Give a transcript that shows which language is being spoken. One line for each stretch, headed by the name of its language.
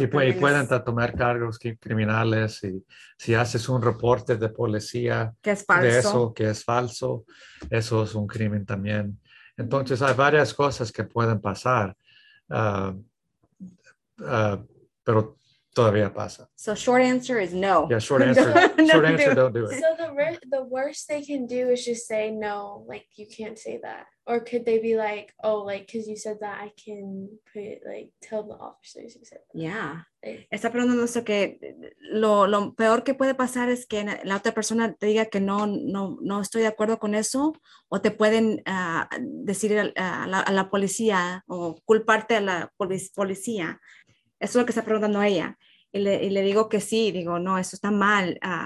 Spanish: Sí, pueden tomar cargos criminales y si haces un reporte de policía que es falso. De eso, que es falso, eso es un crimen también. Entonces, hay varias cosas que pueden pasar, pero todavía pasa.
English: So short answer is no. Yeah, short answer. don't do it. So the worst they can do is just say no, like you can't say that. Or could they be like, oh, like because you said that, I can put like tell the officers you said that. Yeah.
Spanish: Está preguntando eso que lo peor que puede pasar es que la otra persona te diga que no estoy de acuerdo con eso o te pueden decir a la policía o culparte a la policía. Eso es lo que está preguntando ella. Y le digo que sí, digo, no, eso está mal.